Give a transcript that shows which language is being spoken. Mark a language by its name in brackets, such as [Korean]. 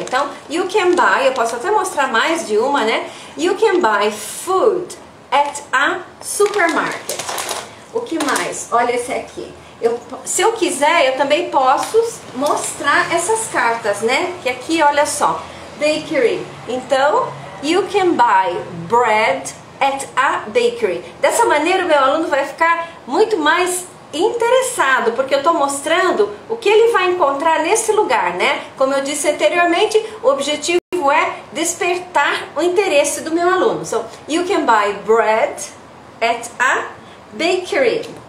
[Portuguese] Então, [English] you can buy, [Portuguese] eu posso até mostrar mais de uma, né? [English] You can buy food at a supermarket. [Portuguese] O que mais? Olha esse aqui. Se eu quiser, eu também posso mostrar essas cartas, né? Que aqui, olha só, bakery. Então, [English] you can buy bread at a bakery. [Portuguese] Dessa maneira, o meu aluno vai ficar muito mais interessado, porque eu estou mostrando o que ele vai encontrar nesse lugar, né? Como eu disse anteriormente, o objetivo é despertar o interesse do meu aluno. [English] So, you can buy bread at a bakery.